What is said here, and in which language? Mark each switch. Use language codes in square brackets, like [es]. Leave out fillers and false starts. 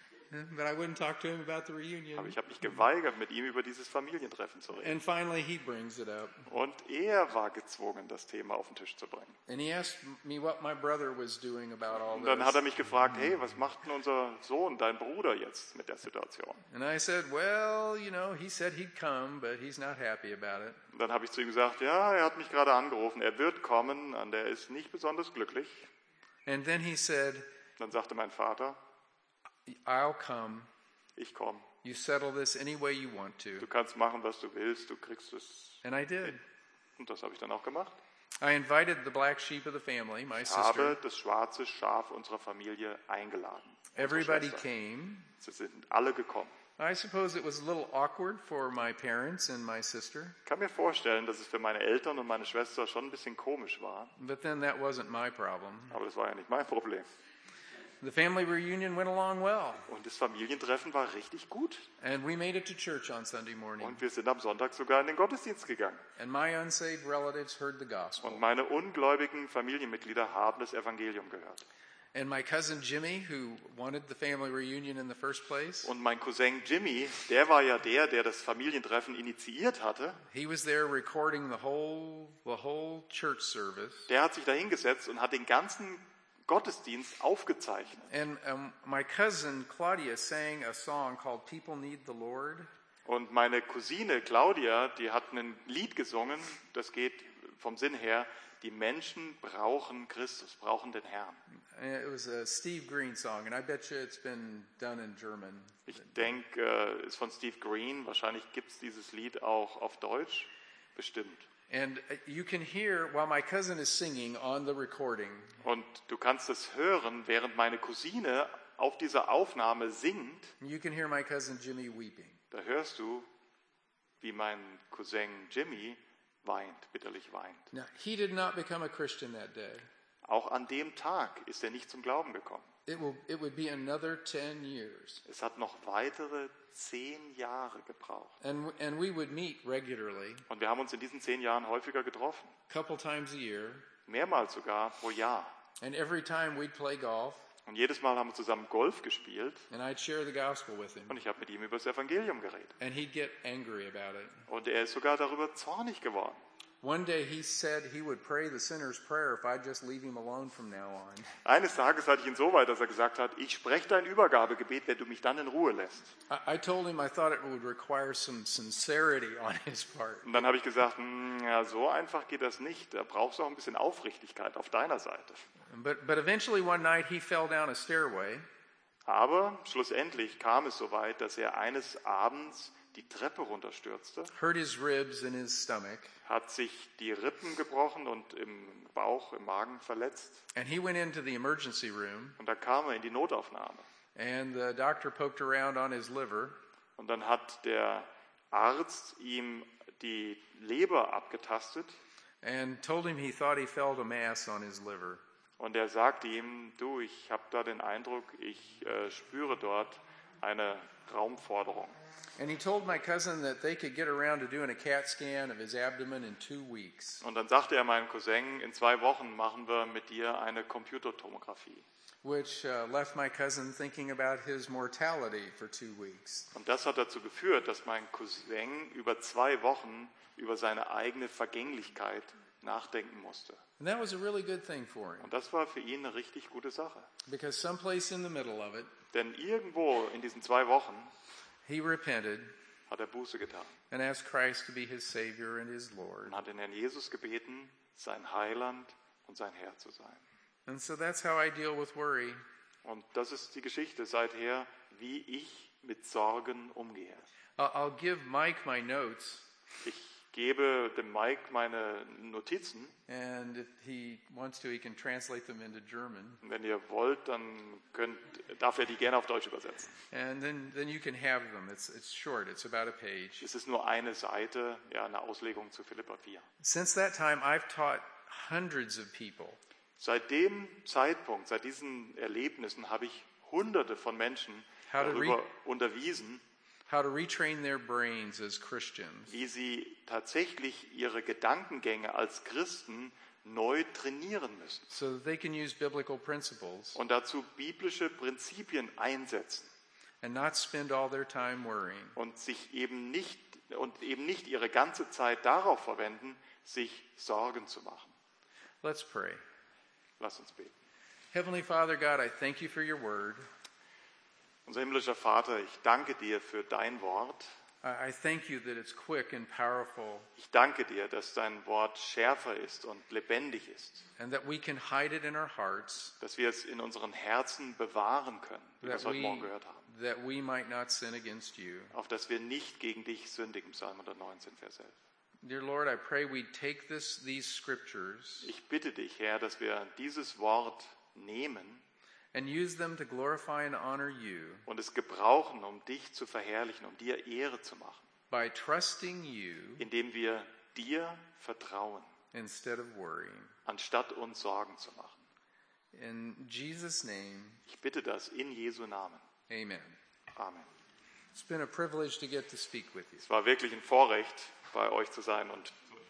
[en] But I wouldn't talk to him about the reunion. [de] Aber ich habe mich geweigert, mit ihm über dieses Familientreffen zu reden. [en] And finally he brings it up. [de] Und er war gezwungen, das Thema auf den Tisch zu bringen. [en] And he asked me what my brother was doing about all this. [de] Und dann hat er mich gefragt, hey, was macht denn unser Sohn, dein Bruder jetzt mit der Situation? [en] And I said, well, you know, he said he'd come, but he's not happy about it. [de] Und dann habe ich zu ihm gesagt, ja, er hat mich gerade angerufen, er wird kommen, und er ist nicht besonders glücklich. [en] And then he said, [de] dann sagte mein Vater, [en] I'll come. [de] Ich komme. [en] You settle this any way you want to. [de] Du kannst machen, was du willst. Du kriegst es. [en] And I did. [de] Und das habe ich dann auch gemacht. [en] I invited the black sheep of the family, my [de] ich [en] sister. [de] Habe das schwarze Schaf unserer Familie eingeladen. [en] Everybody came. [de] Sie sind alle gekommen. [en] I suppose it was a little awkward for my parents and my sister. [de] Ich kann mir vorstellen, dass es für meine Eltern und meine Schwester schon ein bisschen komisch war. [en] But then that wasn't my problem. [de] Aber das war ja nicht mein Problem. [en] The family reunion went along well. [de] Und das Familientreffen war richtig gut. [en] And we made it to church on Sunday morning. [de] Und wir sind am Sonntag sogar in den Gottesdienst gegangen. [en] And my unsaved relatives heard the gospel. [de] Und meine ungläubigen Familienmitglieder haben das Evangelium gehört. [en] And my cousin Jimmy, who wanted the family reunion in the first place. [de] Und mein Cousin Jimmy, der war ja der, der das Familientreffen initiiert hatte. [en] He was there recording the whole church service. [de] Der hat sich da hingesetzt und hat den ganzen Gottesdienst aufgezeichnet. [en] And my cousin Claudia sang a song called "People Need the Lord." [de] Und meine Cousine Claudia, die hat ein Lied gesungen. Das geht vom Sinn her: Die Menschen brauchen Christus, brauchen den Herrn. [en] It was a Steve Green song, and I bet you it's been done in German. [de] Ich denke, ist von Steve Green. Wahrscheinlich gibt's dieses Lied auch auf Deutsch, bestimmt. [en] And you can hear while my cousin is singing on the recording. [de] Und du kannst es hören, während meine Cousine auf dieser Aufnahme singt. [en] You can hear my cousin Jimmy weeping. [de] Da hörst du, wie mein Cousin Jimmy weint, bitterlich weint. [en] Now, he did not become a Christian that day. [de] Auch an dem Tag ist er nicht zum Glauben gekommen. [en] It would be another 10 years. [de] Es hat noch weitere 10 Jahre gebraucht. [en] And we would meet regularly. [de] Und wir haben uns in diesen 10 Jahren häufiger getroffen. [en] Couple times a year. [de] Mehrmals sogar pro Jahr. [en] And every time we'd play golf. [de] Und jedes Mal haben wir zusammen Golf gespielt. [en] And I'd share the gospel with him. [de] Und ich habe mit ihm über das Evangelium geredet. [en] And he'd get angry about it. [de] Und er ist sogar darüber zornig geworden. [en] One day he said he would pray the sinner's prayer if I just leave him alone from now on. [de] Eines Tages hatte ich ihn so weit, dass er gesagt hat, ich spreche dein Übergabegebet, wenn du mich dann in Ruhe lässt. [en] I told him I thought it would require some sincerity on his part. [de] Und dann habe ich gesagt, ja, so einfach geht das nicht, da brauchst du auch ein bisschen Aufrichtigkeit auf deiner Seite. [en] But eventually one night he fell down a stairway. [de] Aber schlussendlich kam es so weit, dass er eines Abends die Treppe runterstürzte, [en] hurt his ribs in his stomach, [de] hat sich die Rippen gebrochen und im Bauch, im Magen verletzt. [en] And he went into the emergency room, [de] und da kam er in die Notaufnahme. [en] And the doctor poked around on his liver, [de] und dann hat der Arzt ihm die Leber abgetastet [en] and told him he thought he felt a mass on his liver. [de] Und er sagte ihm, du, ich habe da den Eindruck, ich spüre dort eine Raumforderung. [en] And he told my cousin that they could get around to doing a CAT scan of his abdomen in 2 weeks. [de] Und dann sagte er meinem Cousin, in 2 Wochen machen wir mit dir eine Computertomographie. [en] Which left my cousin thinking about his mortality for 2 weeks. [de] Und das hat dazu geführt, dass mein Cousin über 2 Wochen über seine eigene Vergänglichkeit nachdenken musste. [en] And that was a really good thing for him. [de] Und das war für ihn eine richtig gute Sache. [en] Because someplace in the middle of it. [de] Denn irgendwo in diesen 2 Wochen [en] he repented, [de] hat er Buße getan, [en] and asked Christ to be his Savior and his Lord. [de] Und hat den Herrn Jesus gebeten, sein Heiland und sein Herr zu sein. [en] And so that's how I deal with worry. [de] Und das ist die Geschichte seither, wie ich mit Sorgen umgehe. [en] I'll give Mike my notes. [de] Ich gebe dem Mike meine Notizen. [en] And if he wants to, he can translate them into German. [de] Wenn ihr wollt, dann darf er die gerne auf Deutsch übersetzen. [en] And then you can have them. It's short. It's about a page. [de] Es ist nur eine Seite, ja, eine Auslegung zu Philipper 4. [en] Since that time, I've taught hundreds of people. [de] Seit dem Zeitpunkt, seit diesen Erlebnissen, habe ich Hunderte von Menschen darüber unterwiesen. [en] How to retrain their brains as Christians. [de] Wie sie tatsächlich ihre Gedankengänge als Christen neu trainieren müssen. [en] So that they can use biblical principles. [de] Und dazu biblische Prinzipien einsetzen. [en] And not spend all their time worrying. [de] Und sich eben nicht ihre ganze Zeit darauf verwenden, sich Sorgen zu machen. [en] Let's pray. [de] Lass uns beten. [en] Heavenly Father God, I thank you for your word. [de] Unser himmlischer Vater, ich danke dir für dein Wort. [en] I thank you that it's quick and powerful. [de] Ich danke dir, dass dein Wort schärfer ist und lebendig ist. [en] And that we can hide it in our hearts. [de] Dass wir es in unseren Herzen bewahren können, wie wir es heute Morgen gehört haben. [en] That we might not sin against you. [de] Auf dass wir nicht gegen dich sündigen, Psalm 119, Vers 11. [en] Dear Lord, I pray we take these scriptures. [de] Ich bitte dich, Herr, dass wir dieses Wort nehmen. [en] And use them to glorify and honor you. [de] Und es gebrauchen, um dich zu verherrlichen, um dir Ehre zu machen. [en] By trusting you. [de] Indem wir dir vertrauen. [en] Instead of worrying. [de] Anstatt uns Sorgen zu machen. [en] In Jesus' name. [de] Ich bitte das in Jesu Namen. [en] Amen. [de] Amen. [en] It's been a privilege to get to speak with you. [de] Es war wirklich ein Vorrecht, bei euch zu sein und